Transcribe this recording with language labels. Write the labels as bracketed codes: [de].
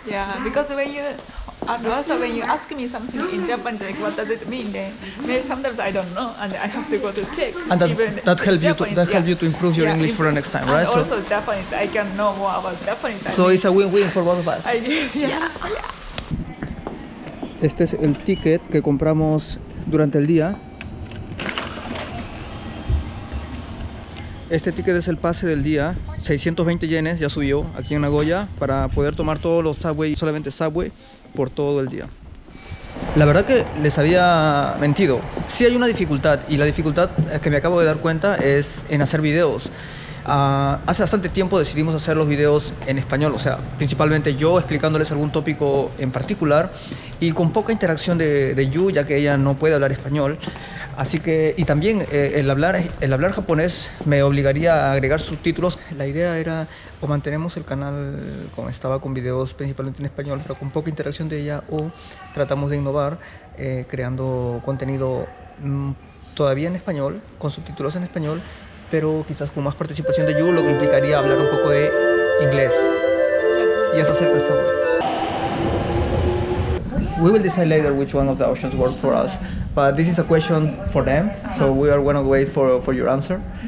[en] Yeah, because when you also when you ask me something in Japanese, like what does it mean? Then sometimes I don't know, and I have to go to check. And that helps you to improve your English for the next time, right? And also so Japanese, I can know more about Japanese. So it's a win-win for both of us. Yeah. [es] Este es el ticket que compramos durante el día. Este ticket es el pase del día, 620 yenes, ya subió aquí en Nagoya, para poder tomar todos los subway, solamente subway, por todo el día. La verdad que les había mentido. Sí hay una dificultad, y la dificultad que me acabo de dar cuenta es en hacer videos. Hace bastante tiempo decidimos hacer los videos en español, o sea, principalmente yo explicándoles algún tópico en particular, y con poca interacción de Yu, ya que ella no puede hablar español. Así que, y también el hablar japonés me obligaría a agregar subtítulos. La idea era, o mantenemos el canal como estaba, con videos principalmente en español, pero con poca interacción de ella, o tratamos de innovar creando contenido todavía en español, con subtítulos en español, pero quizás con más participación de Yu, lo que implicaría hablar un poco de inglés. Y eso acepta el favor. [en] We will decide later which one of the options works for us. But this is a question for them, so we are going to wait for your answer.